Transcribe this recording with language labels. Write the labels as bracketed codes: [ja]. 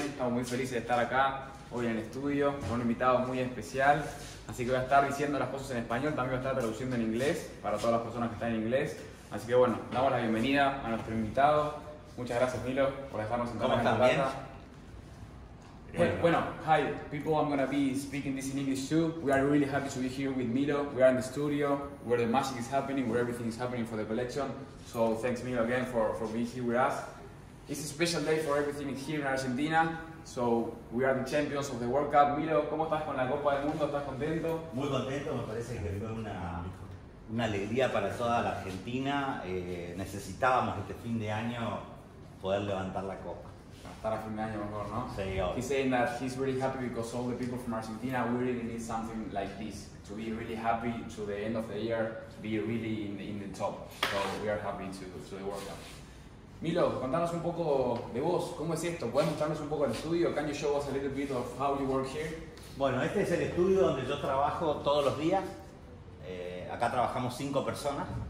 [es] Estamos muy felices de estar acá hoy en el estudio con un invitado muy especial. Así que voy a estar diciendo las cosas en español, también voy a estar traduciendo en inglés para todas las personas que están en inglés. Así que bueno, damos la bienvenida a nuestro invitado. Muchas gracias, Milo, por dejarnos entrar en tu casa. ¿Bien? [en] Bueno, hi people, I'm going to be speaking this in English too. We are really happy to be here with Milo. We are in the studio where the magic is happening, where everything is happening for the collection. So thanks Milo again for being here with us. It's a special day for everything here in Argentina. So we are the champions of the World Cup. [es] Milo, ¿cómo estás con la Copa del Mundo? ¿Estás contento? Muy contento, me parece que fue una alegría para toda la Argentina. Necesitábamos este fin de año poder levantar la Copa. Estar a fin de año mejor, ¿no? Sí, obvio. [en] He's saying that he's really happy because all the people from Argentina, we really need something like this. To be really happy to the end of the year, to be really in the top. So we are happy to the World Cup. [es] Milo, contanos un poco de vos, ¿cómo es esto? ¿Puedes mostrarnos un poco el estudio? [en] Can you show us a little bit of how you work here? [es] Bueno, este es el estudio donde yo trabajo todos los días. Acá trabajamos 5 personas.